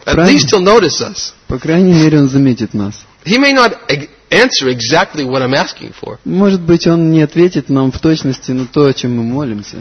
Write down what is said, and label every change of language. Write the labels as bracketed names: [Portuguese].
[English] at [Russian] правильно. [English] Least he'll notice us. [Russian] По крайней мере, он заметит нас. [English] He may not answer exactly what I'm asking for. [Russian] Может быть, он не ответит нам в точности на то, о чем мы молимся.